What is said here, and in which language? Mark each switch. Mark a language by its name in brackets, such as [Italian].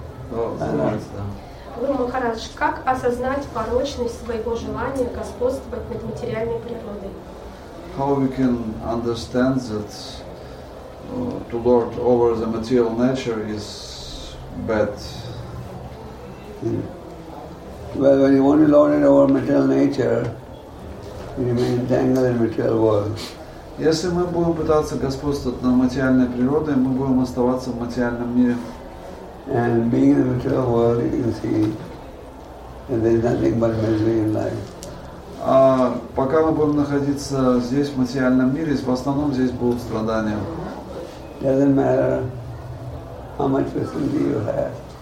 [Russian] Гуру Махарадж, как осознать порочность своего желания господствовать над материальной природой? [English] How we can understand that to lord over the material nature is bad? Well, when you want to lord it over material nature, you remain entangled in material world. [Russian] Если мы будем пытаться господствовать над материальной природой, мы будем оставаться в материальном мире. [English] And being in the material world, you can see that there is nothing but misery in life. [Russian] А пока мы будем находиться здесь, в материальном мире, в основном здесь будут страдания. [English] It doesn't matter how much facility you have.